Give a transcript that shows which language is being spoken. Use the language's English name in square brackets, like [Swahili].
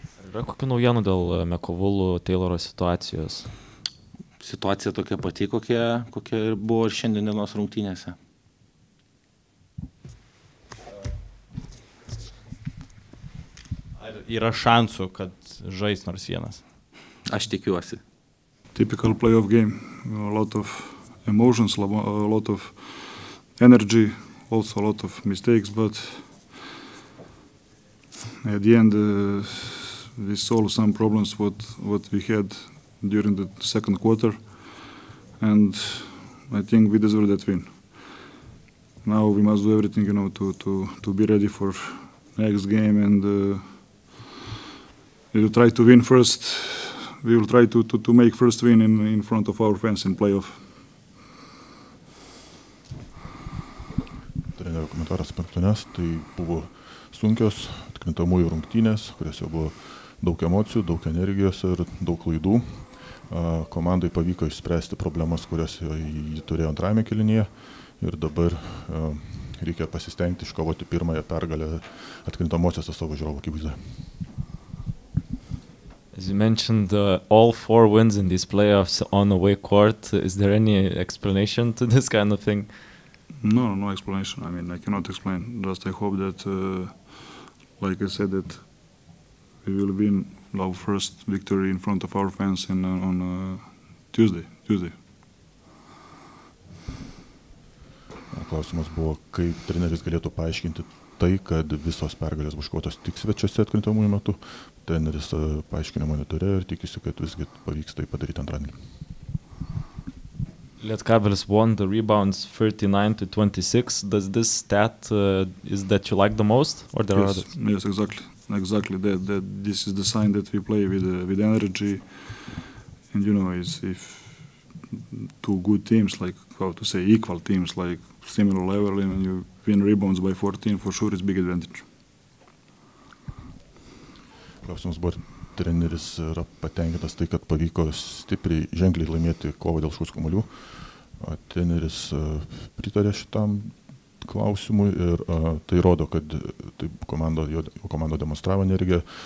[Lithuanian] Yra kokia naujiena dėl Mekovulų, Teiloro situacijos? Situacija tokia pati, kokia buvo ir šiandienos rungtynėse. Ar yra šansų, kad žais nors vienas? Aš tikiuosi. [English] Typical playoff game. A lot of emotions, a lot of energy, also a lot of mistakes, but at the end we solved some problems what we had during the second quarter. And I think we deserve that win. Now we must do everything, to be ready for next game. And if you try to win first, we will try to make first win in front of our fans in playoff. [Lithuanian] Trenerio komentaras penktynės, tai buvo sunkios atkrintamųjų rungtynės, kuriuose buvo daug emocijų, daug energijos ir daug klaidų. Komandai pavyko išspręsti problemas, kurias jį turėjo antrajame kelinyje ir dabar reikia pasistengti iškovoti pirmąją pergalę atkrintamosiose savo žiūrovų akivaizdoje. [English] As you mentioned, all four wins in these playoffs on away court. Is there any explanation to this kind of thing? No explanation. I mean, I cannot explain. Just I hope that, like I said, that we will win our first victory in front of our fans in, on Tuesday. [Lithuanian] Klausimas buvo, kaip treneris galėtų paaiškinti tai, kad visos pergalės bus iškovotos tik svečiuose atkrintamųjų metu. Treneris paaiškinimo neturėjo ir tikisi, kad visgi pavyks tai padaryti antradienį. [English] Lietkabelis won the rebounds 39-26. Does this stat, is that you like the most? Or there yes, are other? Yes, exactly. That this is the sign that we play with energy. And you know, it's if two good teams, like how to say, equal teams, like similar level and you win rebounds by 14, for sure it's big advantage. [Lithuanian] Klausimas buvo, treneris yra patenkintas tai, kad pavyko stipriai ženkliai laimėti kovą dėl šūs kamuolių. Treneris pritarė šitam klausimui ir tai rodo, kad taip komanda demonstravo energiją.